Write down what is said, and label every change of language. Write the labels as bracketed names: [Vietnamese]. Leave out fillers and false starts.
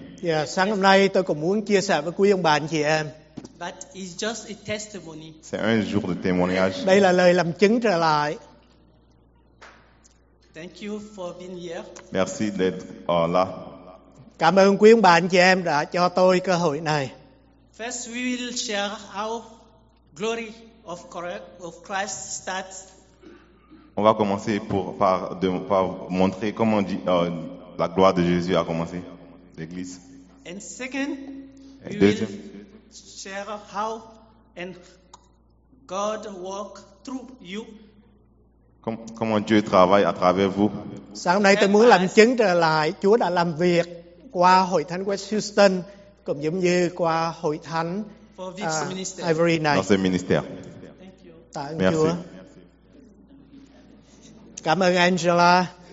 [Vietnamese] Yeah, sáng hôm nay tôi cũng muốn chia sẻ với quý ông bà anh chị em. [English] But it's just a testimony. [French] C'est un jour de témoignage. [Vietnamese] Đây là lời làm chứng trở lại. [English] Thank you for being here. [French] Merci d'être là. [Vietnamese] Cảm ơn quý ông bà anh chị em đã cho tôi cơ hội này. [English] First, we will share how glory of Christ starts. [French] On va commencer par montrer comment la gloire de Jésus a commencé l'Église. [English] And second, we will share how and God work through you. [French] Comment Dieu travaille à travers vous. [Vietnamese] Sáng nay tôi muốn làm chứng trở lại Chúa đã làm việc qua hội thánh West Houston cũng giống như qua hội thánh Ivory này. [French] Dans ce ministère. [Vietnamese] Tạ ơn Chúa. Cảm ơn Angela.